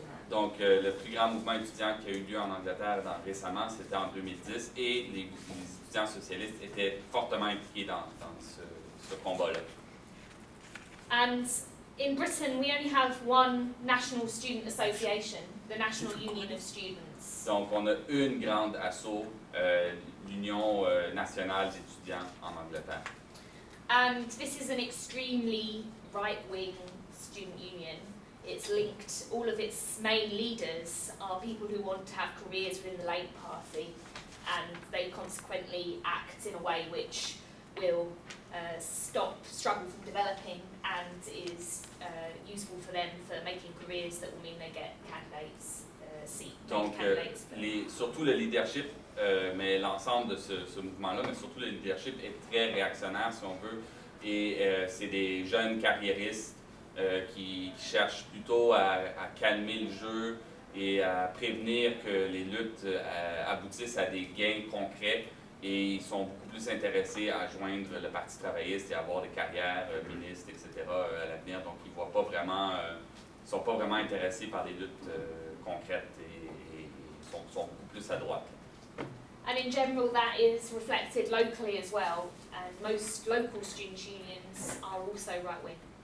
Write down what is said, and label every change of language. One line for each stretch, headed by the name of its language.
French: Donc, le plus grand mouvement étudiant qui a eu lieu en Angleterre récemment, c'était en 2010, et les étudiants socialistes étaient fortement impliqués dans ce combat-là.
English: And in Britain, we only have one national student association, the National Union of Students.
French: Donc, on a une grande asso, l'Union nationale d'étudiants en Angleterre.
English: And this is an extremely right-wing student union. It's linked, all of its main leaders are people who want to have careers within the Labour Party, and they consequently act in a way which will stop struggle from developing and is useful for them for making careers that will mean they get candidates seat.
French: Donc, surtout le leadership, mais l'ensemble de ce mouvement-là, mais surtout le leadership est très réactionnaire, si on veut. Et c'est des jeunes carriéristes qui cherchent plutôt à calmer le jeu et à prévenir que les luttes aboutissent à des gains concrets. Et ils sont beaucoup plus intéressés à joindre le Parti travailliste et avoir des carrières ministres, etc. à l'avenir. Donc, ils voient pas vraiment, sont pas vraiment intéressés par des luttes concrètes et sont beaucoup plus à droite.
English: And in general, that is reflected locally as well. And most local student unions are also right-wing.